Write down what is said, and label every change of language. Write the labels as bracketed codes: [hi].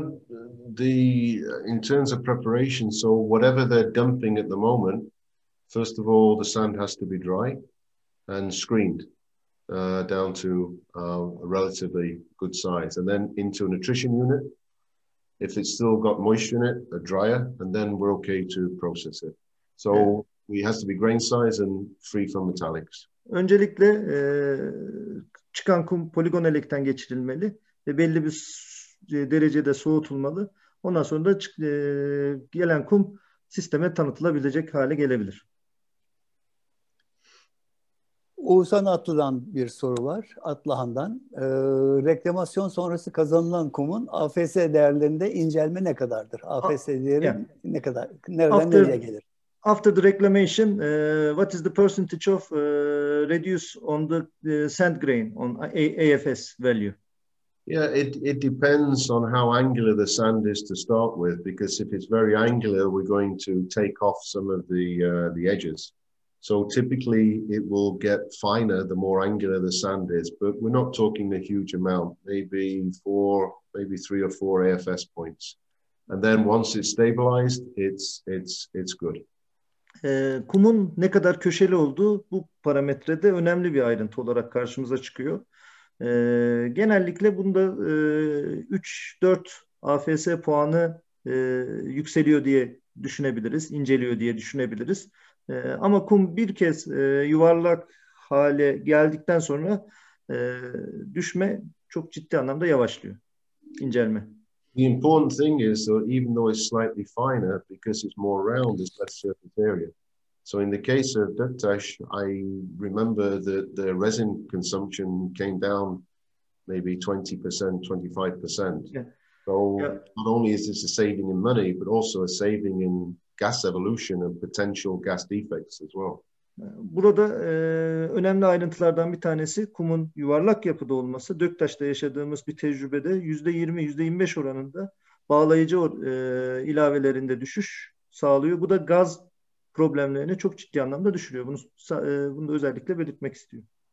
[en] In terms of preparation, so whatever they're dumping at the moment, first of all, the sand has to be dry and screened down to a relatively good size, and then into a nutrition unit. If it's still got moisture in it, a dryer, and then we're okay to process it. So it has to be grain size and free from metallics. [tr] Öncelikle çıkan kum poligon elekten geçirilmeli ve belli bir derecede soğutulmalı. Ondan sonra da gelen kum sisteme tanıtılabilecek hale gelebilir. Oğuzhan Atlı'dan bir soru var. Atlıhan'dan. Reklamasyon sonrası kazanılan kumun AFS değerlerinde incelme ne kadardır? AFS değeri yani, ne kadar? Nereden after, nereye gelir? [en] After the reclamation, what is the percentage of reduce on the sand grain on AFS value? Yeah, it depends on how angular the sand is to start with, because if it's very angular, we're going to take off some of the edges. So typically it will get finer the more angular the sand is, but we're not talking a huge amount, maybe three or four AFS points. And then once it's stabilized, it's good. [tr] Kumun ne kadar köşeli olduğu bu parametrede önemli bir ayrıntı olarak karşımıza çıkıyor. Genellikle bunda 3-4 AFS puanı yükseliyor diye düşünebiliriz, inceliyor diye düşünebiliriz. Ama kum bir kez yuvarlak hale geldikten sonra düşme çok ciddi anlamda yavaşlıyor, incelme. [en] The important thing is that even though it's slightly finer because it's more round, there's less surface area. So in the case of Duktash, I remember that the resin consumption came down maybe 20%, 25%. Yeah. So yeah. Not only is this a saving in money, but also a saving in gas evolution and potential gas defects as well. [tr] Burada önemli ayrıntılardan bir tanesi kumun yuvarlak yapıda olması. Döktaş'ta yaşadığımız bir tecrübede %20, %25 oranında bağlayıcı ilavelerinde düşüş sağlıyor. Bu da gaz problemlerini çok ciddi anlamda düşürüyor. Bunu da özellikle belirtmek istiyorum.